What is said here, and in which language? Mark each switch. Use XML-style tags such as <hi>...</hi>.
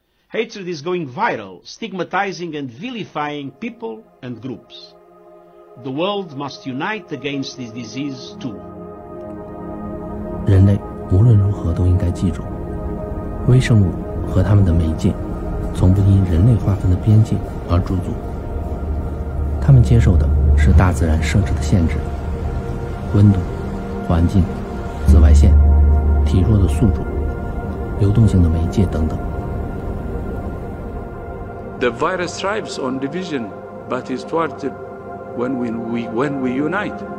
<en>Hatred is going viral, stigmatizing and vilifying people and groups. The world must unite against this disease too.</en> <zh>人类无论如何都应该记住，微生物和他们的媒介从不因人类划分的边界而驻足，他们接受的是大自然设置的限制，温度、环境、紫外线、体弱的宿主、流动性的媒介等等。</zh> <en>The virus thrives on division, but is thwarted when we unite.</en>